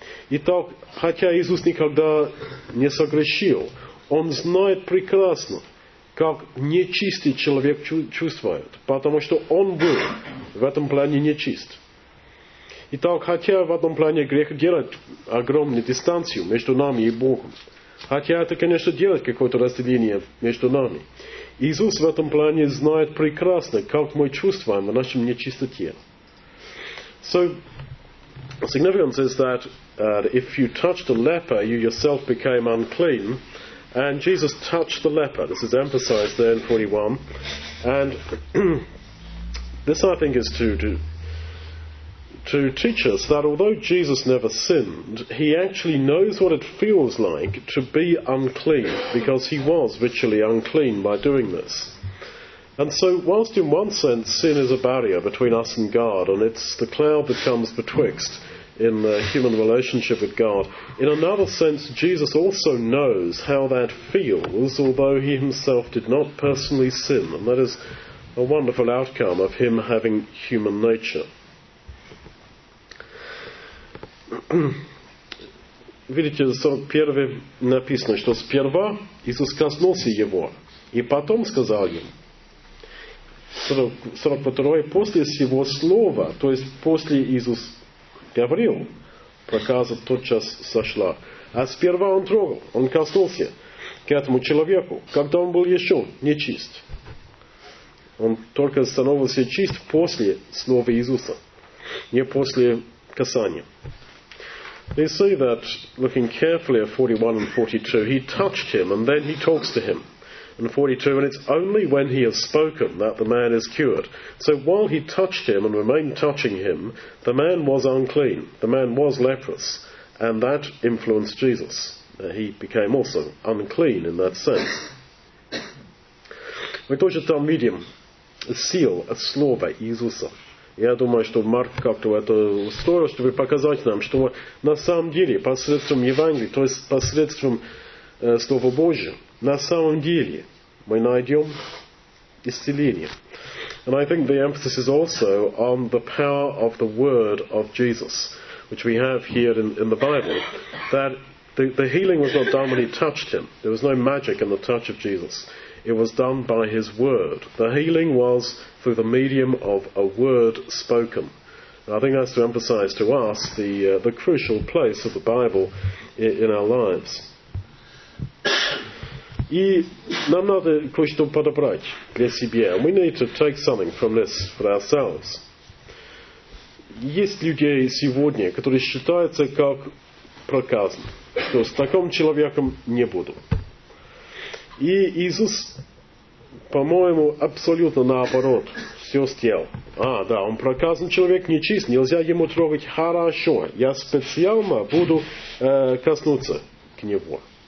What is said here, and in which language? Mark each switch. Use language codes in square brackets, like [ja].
[ru] Итак, хотя Иисус никогда не согрешил, он знает прекрасно, как нечистый человек чувствует, потому что он был в этом плане нечист. Итак, хотя в этом плане грех делает огромную дистанцию между нами и Богом, хотя это, конечно, делает какое-то разделение между нами, Иисус в этом плане знает прекрасно, как мы чувствуем в нашем нечистоте. [en] So, the significance is that if you touch the leper, you yourself became unclean, and Jesus touched the leper. This is emphasized there in 41. And this, I think, is to teach us that although Jesus never sinned, he actually knows what it feels like to be unclean, because he was ritually unclean by doing this. And so, whilst in one sense sin is a barrier between us and God, and it's the cloud that comes betwixt in the human relationship with God, in another sense, Jesus also knows how that feels, although he himself did not personally sin. And that is a wonderful outcome of him having human nature. [ru] Видите, в 41 написано, что сперва Иисус коснулся его, и потом сказал им. 42, после сего слова, то есть после Иисус говорил, проказа тотчас сошла. А сперва он трогал, он коснулся к этому человеку, когда он был еще нечист. Он только становился чист после слова Иисуса, не после касания. [en] You see that, looking carefully at 41 and 42, he touched him and then he talks to him. In 42, and it's only when he has spoken that the man is cured. So while he touched him and remained touching him, the man was unclean. The man was leprous. And that influenced Jesus. He became also unclean in that sense. [ru] Мы тоже там видим силу от слова Иисуса. Я думаю, что Марк как-то это устроил, чтобы показать нам, что на самом деле посредством Евангелия, то есть посредством Слова Божия, на самом деле мы найдем исцеление. [en] And I think the emphasis is also on the power of the word of Jesus, which we have here in the Bible, that the healing was not done when he touched him. There was no magic in the touch of Jesus. It was done by his word. The healing was through the medium of a word spoken. And I think that's to emphasize to us the crucial place of the Bible in our lives. [ru] И нам надо кое-что подобрать для себя. [en] We need to take something from this for ourselves. [ru] Есть люди сегодня, которые считаются как проказанные. То есть, таким человеком не буду. И Иисус, по-моему, абсолютно наоборот, все сделал. А, да, он проказан человек, нечист, нельзя ему трогать. Хорошо, я специально буду коснуться к нему.